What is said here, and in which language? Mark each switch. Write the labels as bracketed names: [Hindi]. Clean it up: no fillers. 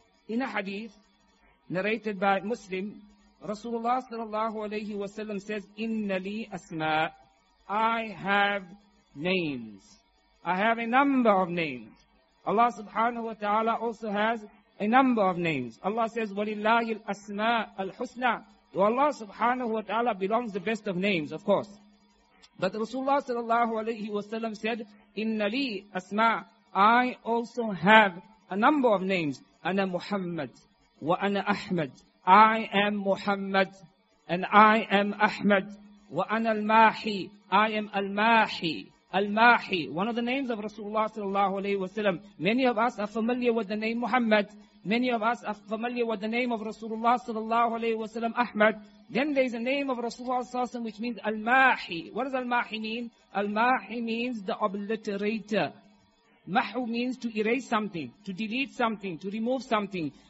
[English] In a hadith narrated by Muslim, Rasulullah sallallahu alayhi wa sallam says, [Arabic] "Inna li asma," [English] I have names. I have a number of names. Allah subhanahu wa ta'ala also has a number of names. Allah says, [Arabic] وَلِلَّهِ الْأَسْمَاءَ الْحُسْنَى. [English] To Allah subhanahu wa ta'ala belongs the best of names, of course. But Rasulullah sallallahu alayhi wa sallam said, [Arabic] إِنَّ لِي أَسْمَاءَ, [English] I also have a number of names. [Arabic] أَنَا مُحَمَّدْ وَأَنَا أَحْمَدْ. [English] I am Muhammad and I am Ahmad. [Arabic] وَأَنَا الْمَاحِي, [English] I am [Arabic] الْمَاحِي. [English] Al-Mahi, one of the names of Rasulullah sallallahu alayhi wa sallam. Many of us are familiar with the name Muhammad. Many of us are familiar with the name of Rasulullah sallallahu alayhi wa sallam, Ahmad. Then there is a name of Rasulullah sallallahu alayhi wa sallam which means Al-Mahi. What does Al-Mahi mean? Al-Mahi means the obliterator. Mahu means to erase something, to delete something, to remove something.